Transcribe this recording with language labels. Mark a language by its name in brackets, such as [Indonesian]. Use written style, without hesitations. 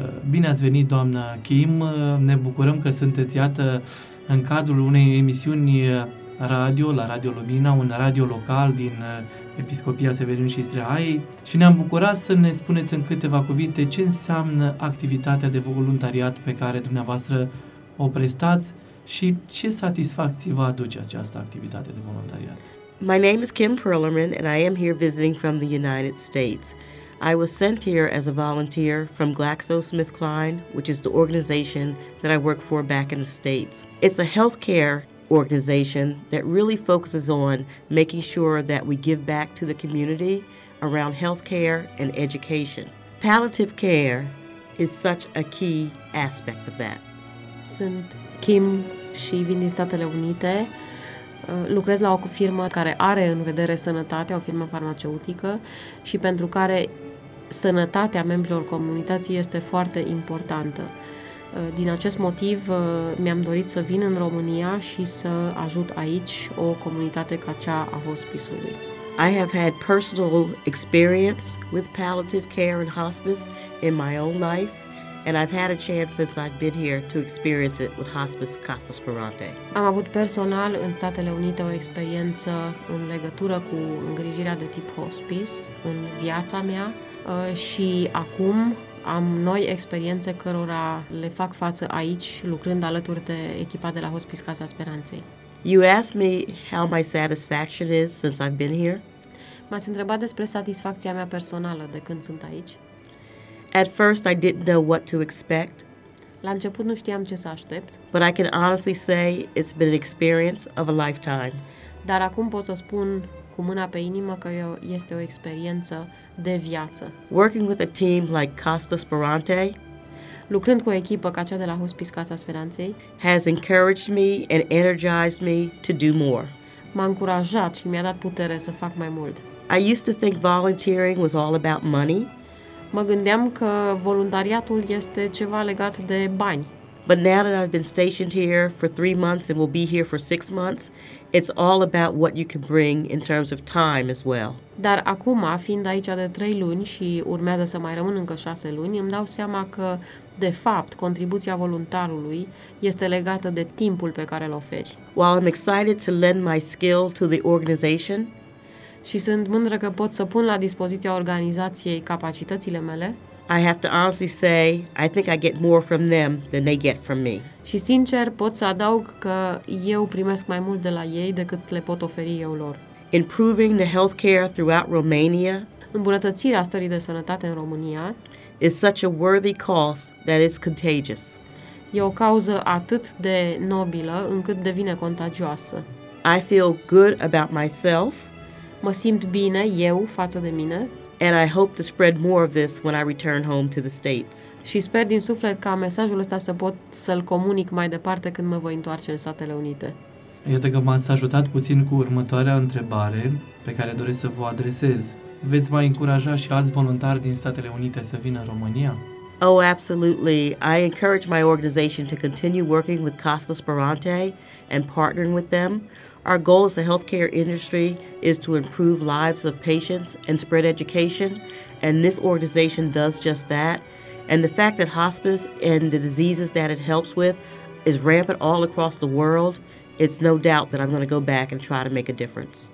[Romanian] Bine ați venit, doamnă Kim, ne bucurăm că sunteți iată în cadrul unei emisiuni radio, la Radio Lumina, un radio local din Episcopia Severin și Strehaiei și ne-am bucurat să ne spuneți în câteva cuvinte ce înseamnă activitatea de voluntariat pe care dumneavoastră o prestați și ce satisfacții vă aduce această activitate de voluntariat. [English] My name is Kim Perlerman and I am here visiting from the United States. I was sent here as a volunteer from GlaxoSmithKline, which is the organization that I work for back in the States. It's a healthcare organization that really focuses on making sure that we give back to the community around healthcare and education. Palliative care is such a key aspect of that. [Romanian] Sunt Kim și vin din Statele Unite. Lucrez la o firmă care are în vedere sănătatea, o firmă farmaceutică, și pentru care sănătatea membrilor comunității este foarte importantă. Din acest motiv, mi-am dorit să vin în România și să ajut aici o comunitate ca cea a hospice-ului. [English] I have had personal experience with palliative care and hospice in my own life, and I've had a chance since I've been here to experience it with Hospice Costa Sperante. [Romanian] Am avut personal în Statele Unite o experiență în legătură cu îngrijirea de tip hospice în viața mea, și acum am noi experiențe cărora le fac față aici, lucrând alături de echipa de la Hospice Casa Speranței. [English] You asked me how my satisfaction is since I've been here. [Romanian] M-ați întrebat despre satisfacția mea personală de când sunt aici. [English] At first I didn't know what to expect. [Romanian] La început nu știam ce să aștept. [English] But I can honestly say it's been an experience of a lifetime. [Romanian] Dar acum pot să spun cu mâna pe inimă că este o experiență de viață. [English] Working with a team like Costa Sperante, [Romanian] lucrând cu o echipă ca cea de la Hospice Casa Speranței, [English] has encouraged me and energized me to do more. [Romanian] M-a încurajat și mi-a dat putere să fac mai mult. [English] I used to think volunteering was all about money. [Romanian] Mă gândeam că voluntariatul este ceva legat de bani. [English] But now that I've been stationed here for 3 months and will be here for 6 months, it's all about what you can bring in terms of time as well. [Romanian] Dar acum, fiind aici de 3 luni și urmează să mai rămân încă 6 luni, îmi dau seama că, de fapt, contribuția voluntarului este legată de timpul pe care îl oferi. [English] While I'm excited to lend my skill to the organization, [Romanian] și sunt mândră că pot să pun la dispoziția organizației capacitățile mele, [English] I have to honestly say, I think I get more from them than they get from me. [Romanian] Și sincer, pot să adaug că eu primesc mai mult de la ei decât le pot oferi eu lor. [English] Improving the healthcare throughout Romania, [Romanian] îmbunătățirea stării de sănătate în România, [English] is such a worthy cause that is contagious. [Romanian] E o cauză atât de nobilă încât devine contagioasă. [English] I feel good about myself. [Romanian] Mă simt bine eu față de mine. [English] And I hope to spread more of this when I return home to the States. [Romanian] Și sper din suflet ca mesajul ăsta să pot să-l comunic mai departe când mă voi întoarce în Statele Unite. Iată că m-ați ajutat puțin cu următoarea întrebare pe care doresc să vă adresez. Veți mai încuraja și alți voluntari din Statele Unite să vină în România? [English] Oh, absolutely. I encourage my organization to continue working with Costa Sperante and partnering with them. Our goal as a healthcare industry is to improve lives of patients and spread education, and this organization does just that. And the fact that hospice and the diseases that it helps with is rampant all across the world, it's no doubt that I'm going to go back and try to make a difference.